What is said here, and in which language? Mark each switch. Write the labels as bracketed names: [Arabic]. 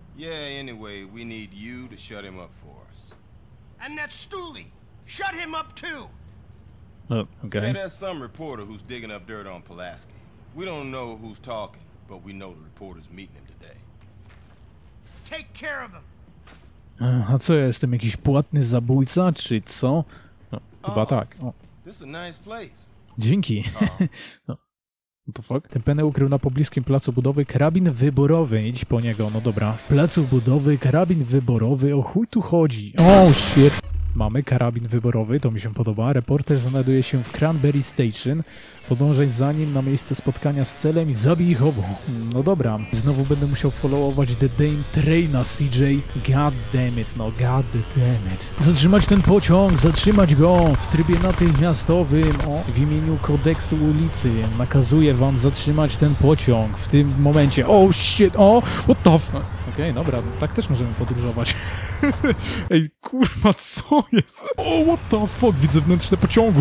[English] Yeah, anyway, we need you to shut him up for us. And that Stooley, shut him up too. Oh, okay. Yeah, there's some reporter who's digging up dirt on Pulaski. We don't know who's talking, but we know the reporter's meeting him today. Take care of him. [Polish] A co, ja jestem jakiś płatny zabójca, czy co? No, chyba tak. O. [English] This is a nice place. [Polish] Dzięki. [English] What the fuck? [Polish] Ten penny ukrył na pobliskim placu budowy karabin wyborowy. Idź po niego, no dobra. Placu budowy, karabin wyborowy, o chuj tu chodzi. [English] O, shit. [Polish] Mamy karabin wyborowy, to mi się podoba. Reporter znajduje się w Cranberry Station. Podążaj za nim na miejsce spotkania z celem i zabij ich obu. No dobra, znowu będę musiał followować the Dame Traina, CJ. [English] God damn it, no god damn it. [Polish] Zatrzymać ten pociąg, zatrzymać go w trybie natychmiastowym. O, w imieniu kodeksu ulicy nakazuję wam zatrzymać ten pociąg w tym momencie. [English] Oh shit, oh, what the fuck? [Polish] Okej, dobra, tak też możemy podróżować. Ej, kurwa, co jest? O, [English] what the fuck, [Polish] widzę wnętrze pociągu.